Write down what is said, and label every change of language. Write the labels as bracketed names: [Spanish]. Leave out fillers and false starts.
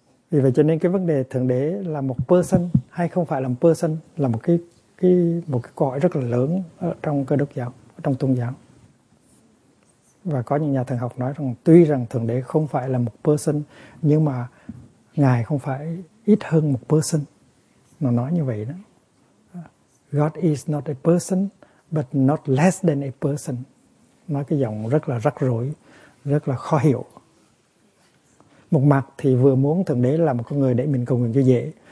[Vietnamese] Vì vậy cho nên cái vấn đề Thượng Đế là một person hay không phải là một person là một cái cõi rất là lớn ở trong Cơ Đốc giáo, ở trong tôn giáo. Và có những nhà thần học nói rằng tuy rằng Thượng Đế không phải là một person, nhưng mà Ngài không phải ít hơn một person. Nó nói như vậy đó. [English] God is not a person, but not less than a person. [Vietnamese] Nói cái giọng rất là rắc rối, rất là khó hiểu. Một mặt thì vừa muốn Thượng Đế là một con người để mình cầu nguyện cho dễ.